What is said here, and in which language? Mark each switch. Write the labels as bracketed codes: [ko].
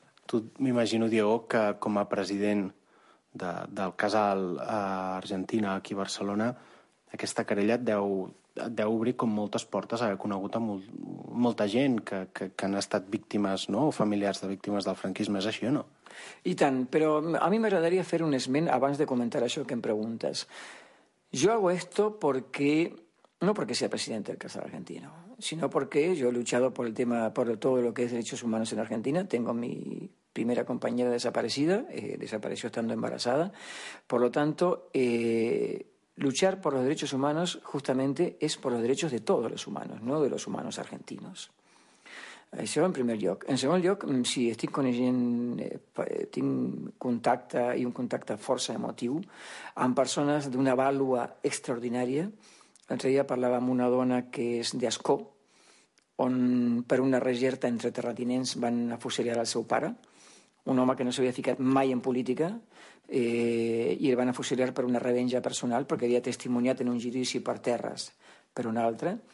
[ca] Tu m'imagino, Diego, que com a president del casal argentina aquí a Barcelona, aquesta querella et deu obrir com moltes portes, haver conegut a molta gent que han estat víctimes, no?, o familiars de víctimes del franquisme. És així o no? I tant, però a mi m'agradaria fer un esment abans de comentar això que em preguntes. [es] Jo hago esto porque... No porque sea presidente del Casal Argentino, sino porque yo he luchado por el tema, por todo lo que es derechos humanos en Argentina. Tengo mi primera compañera desaparecida, desapareció estando embarazada. Por lo tanto, luchar por los derechos humanos justamente es por los derechos de todos los humanos, no de los humanos argentinos. [ca] Això en primer lloc. En segon lloc, si estic coneixent, tinc contacte i un contacte força emotiu amb persones d'una vàlua extraordinària. L'altre dia parlava amb una dona que és d'Ascó, on per una regerta entre terratinents van afusilar el seu pare, un home que no s'havia ficat mai en política, i el van afusilar per una revenja personal perquè havia testimoniat en un judici per terres per una altra.